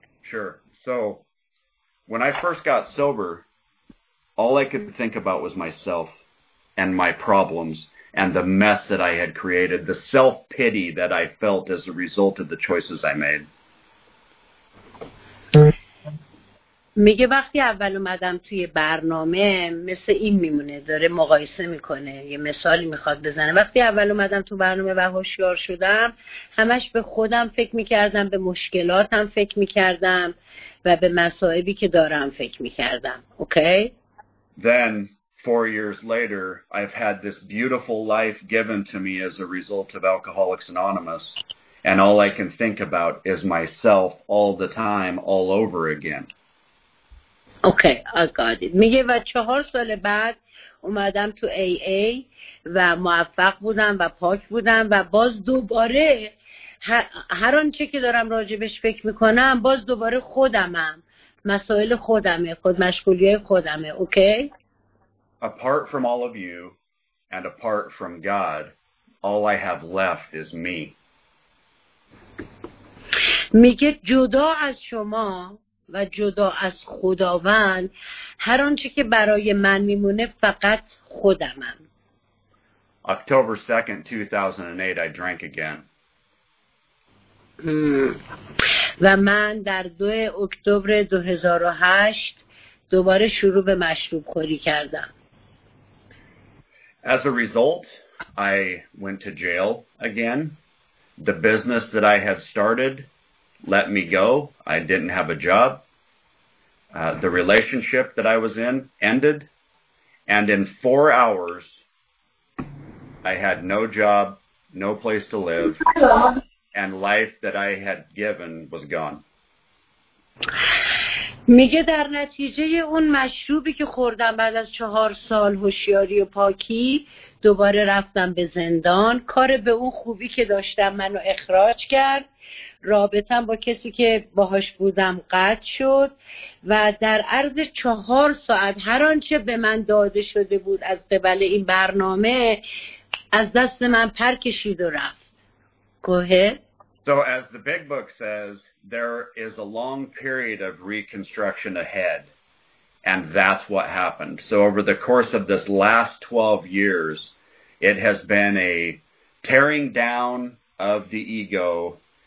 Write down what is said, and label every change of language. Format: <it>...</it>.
<en>Sure. So when I first got sober, all I could think about was myself and my problems and the mess that I had created, the self-pity that I felt as a result of the choices I made.</en> <fa>میگه وقتی اول اومدم توی برنامه مثل این میمونه، داره مقایسه میکنه، یه مثالی میخواد بزنه. وقتی اول اومدم تو برنامه و هوشیار شدم، همش به خودم فکر میکردم، به مشکلاتم فکر میکردم و به مصائبی که دارم فکر میکردم. اوکی؟</fa> <en>Then 4 years later I've had this beautiful life given to me as a result of Alcoholics Anonymous and all I can think about is myself all the time all over again. Okay, I got it.</en> <fa>میگه و 4 سال بعد اومدم تو AA و موفق بودم و پاک بودم و باز دوباره هر آنچه که دارم راجبش فکر میکنم باز دوباره خودمم، مسائل خودمه، خودمشغولیه خودمه.</fa> <en>Okay? Apart from all of you and apart from God, all I have left is me.</en> <fa>میگه جدا از شما و جدا از خداوند، هر آنچه که برای من میمونه فقط خودمم.</fa> <en>October 2nd, 2008 I drank again.</en> <fa>و من در 2 اکتبر 2008 دوباره شروع به مشروب خوری کردم.</fa> <en>As a result, I went to jail again. The business that I had started let me go. I didn't have a job. The relationship that I was in ended, and in 4 hours, I had no job, no place to live, and life that I had given was gone.</en> <fa>میگه در نتیجه اون مشروبی که خوردم بعد از 4 سال هوشیاری و پاکی، دوباره رفتم به زندان. کار به اون خوبی که داشتم منو اخراج کرد. رابطم با کسی که باهاش بودم قطع شد و در عرض 4 ساعت هر آنچه به من داده شده بود از قبل این برنامه از دست من پر کشید و رفت.</fa> <en>گوهه. So as the big book says, there is a long period of reconstruction ahead. And that's what happened. So over the course of this last 12 years, it has been a tearing down of the ego</en>